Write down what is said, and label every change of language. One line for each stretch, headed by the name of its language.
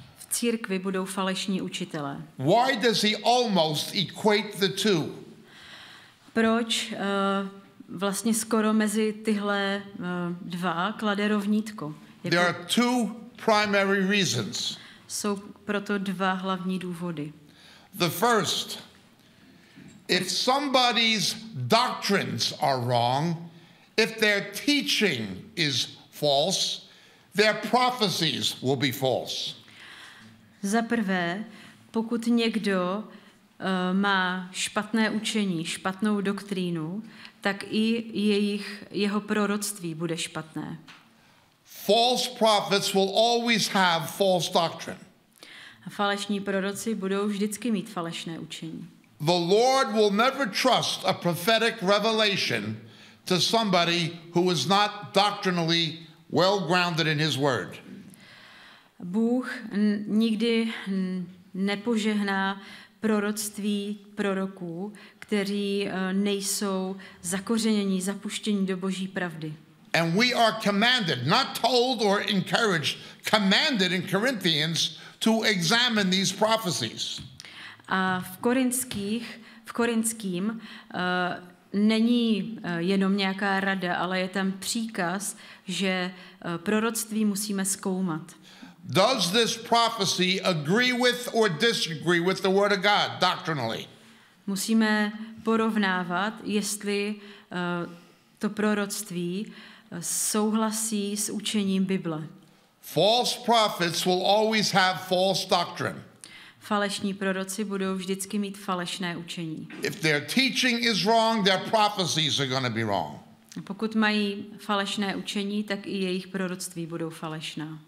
Czech: Církvi budou falešní učitelé.
English: Why does he almost equate the two?
Czech: Proč vlastně skoro mezi tyhle dva klade rovnítko?
English: There are two primary reasons.
Czech: Jsou proto dva hlavní důvody.
English: The first, if somebody's doctrines are wrong, if their teaching is false, their prophecies will be false.
Czech: Za prvé, pokud někdo má špatné učení, špatnou doktrínu, tak i jeho proroctví bude špatné.
English: False prophets will always have false doctrine.
Czech: Falešní proroci budou vždycky mít falešné učení.
English: The Lord will never trust a prophetic revelation to somebody who is not doctrinally well grounded in his word.
Czech: Bůh nikdy nepožehná proroctví proroků, kteří nejsou zakořeněni, zapuštěni do Boží pravdy.
English: And we are commanded, not told or encouraged, commanded in Corinthians to examine these prophecies.
Czech: A v korinským není jenom nějaká rada, ale je tam příkaz, že proroctví musíme zkoumat.
English: Does this prophecy agree with or disagree with the word of God doctrinally?
Czech: Musíme porovnávat, jestli to proroctví souhlasí s učením Bible.
English: False prophets will always have false doctrine.
Czech: Falešní proroci budou vždycky mít falešné učení.
English: If their teaching is wrong, their prophecies are going to be wrong.
Czech: Pokud mají falešné učení, tak i jejich proroctví budou falešná.